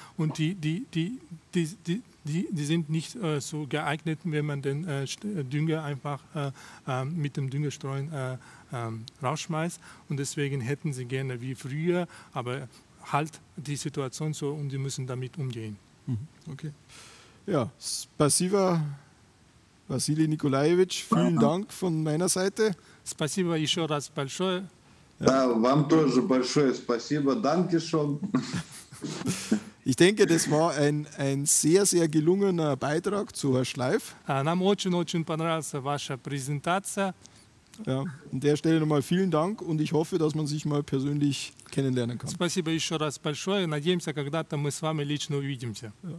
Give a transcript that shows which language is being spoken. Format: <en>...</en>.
<de>Und die sind nicht so geeignet, wenn man den Dünger einfach mit dem Düngerstreuen rausschmeißt und deswegen hätten sie gerne wie früher, aber halt die Situation so und sie müssen damit umgehen. Okay. Ja,</de> <ru>спасибо,</ru> <de>Василий Николаевич, vielen Dank von meiner Seite.</de> <ru>Спасибо еще раз большое. Да, вам тоже большое спасибо,</ru> <de>danke schon. Ich denke, das war ein sehr, sehr gelungener Beitrag zu Herrn Schleif.</de> <ru>Нам очень-очень понравилась ваша презентация.</ru> <de>Ja, an der Stelle nochmal vielen Dank und ich hoffe, dass man sich mal persönlich kennenlernen kann.</de> <ru>Спасибо еще раз большое. Надеемся, когда-то мы с вами лично увидимся.</ru>